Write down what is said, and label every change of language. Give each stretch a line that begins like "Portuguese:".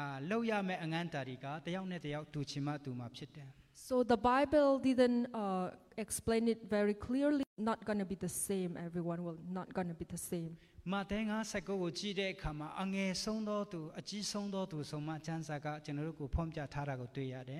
Burmese: လောက်ရမဲ့အငန်းတာတွေကတယောက်နဲ့တယောက်တူချင်မှတူမှာဖြစ်တယ်
English: So the Bible didn't explain it very clearly not going to be the same everyone will not going to be the same
Burmese: မာသဲ59ကိုကြည့်တဲ့အခါမှာအငယ်ဆုံးသောသူအကြီးဆုံးသောသူဆိုမှကျမ်းစာကကျွန်တော်တို့ကိုဖွင့်ပြထားတာကိုတွေ့ရတယ